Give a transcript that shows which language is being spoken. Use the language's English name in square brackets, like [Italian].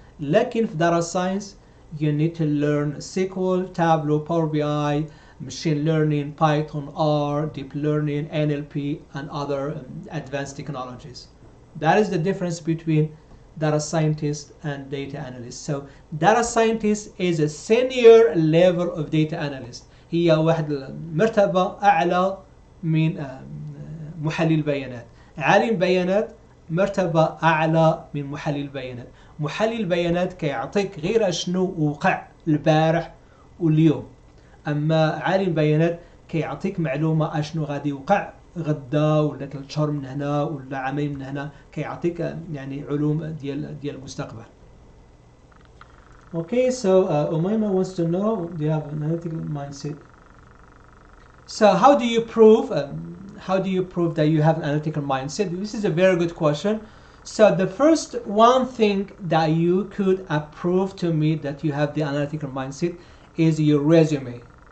[Arabic] Lakin [English] for data science, you need to learn SQL, Tableau, Power BI, machine learning, Python, R, deep learning, NLP, and other advanced technologies. That is the difference between data scientist and data analyst. So data scientist is a senior level of data analyst. [Arabic] هي واحد المرتبة أعلى من محلل البيانات. عالم بيانات مرتبة أعلى من محلل البيانات. محلل البيانات كيعطيك غير شنو وقع البارح واليوم، أما عالم بيانات كيعطيك معلومة أشنو غادي يوقع غدا، ولا ثلاث شهور من هنا، ولا عامين من هنا، كيعطيك يعني علوم ديال المستقبل. [English] Okay, so Omaima wants to know, do you have an analytical mindset? So how do you prove that you have an analytical mindset? This is a very good question. So the first one thing that you could approve to me that you have the analytical mindset is your resume.